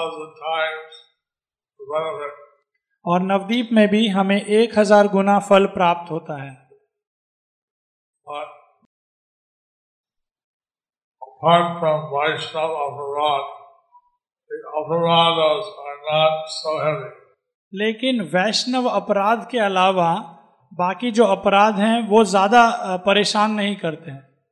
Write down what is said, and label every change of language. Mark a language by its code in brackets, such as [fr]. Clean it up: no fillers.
[hi] और नवदीप में भी हमें 1,000 गुना फल प्राप्त होता है. [en] Apart from Vaishnav Aparad, the Aparadas are not so heavy. [hi] लेकिन वैष्णव अपराध के अलावा बाकी जो अपराध हैं वो ज्यादा परेशान नहीं करते हैं.